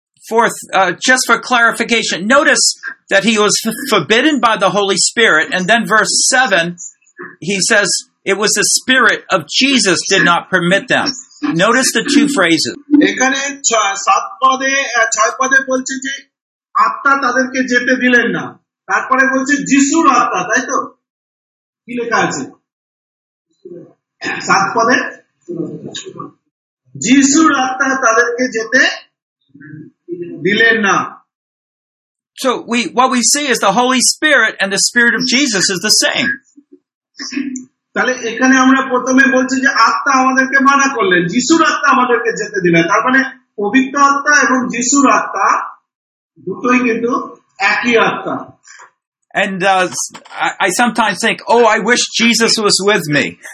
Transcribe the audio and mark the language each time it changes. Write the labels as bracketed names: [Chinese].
[English] Fourth, just for clarification, notice that he was forbidden by the Holy Spirit, and then verse 7, he says, it was the Spirit of Jesus did not permit them. Notice the two phrases. [Bangla] এখানে 7 পদে 6 পদে বলছে যে আত্মা তাদেরকে যেতে দিলেন না, তারপরে বলছে যিশুর আত্মা, তাই তো? কি লেখা আছে 7 পদে? যিশুর আত্মা তাদেরকে যেতে দিলেন না. [English] So what we see is the Holy Spirit and the Spirit of Jesus is the same. [Bangla] তাহলে এখানে আমরা প্রথমে বলছি যে আত্মা আমাদেরকে মানা করলেন, যিশুর আত্মা আমাদেরকে যেতে দিলেন, তার মানে পবিত্র আত্মা এবং যিশুর আত্মা দুটোই কিন্তু একই আত্মা. [English] And I sometimes think, oh, I wish Jesus was with me.